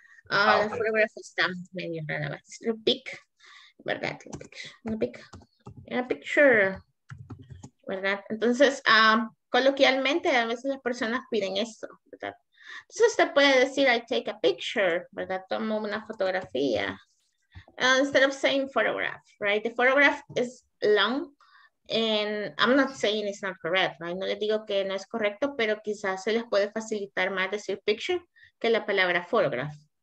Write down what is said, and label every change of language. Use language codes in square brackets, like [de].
[es] La photograph está medio rara, ¿verdad? Pic, ¿verdad? A picture, ¿verdad? Entonces, coloquialmente, a veces las personas piden esto, ¿verdad? Entonces, usted puede decir, [en] I take a picture, [es] ¿verdad? Tomo una fotografía. [en] Instead of saying photograph, right? The photograph is long, and I'm not saying it's not correct, right? [es] No le digo que no es correcto, pero quizás se les puede facilitar más decir picture que la palabra photograph.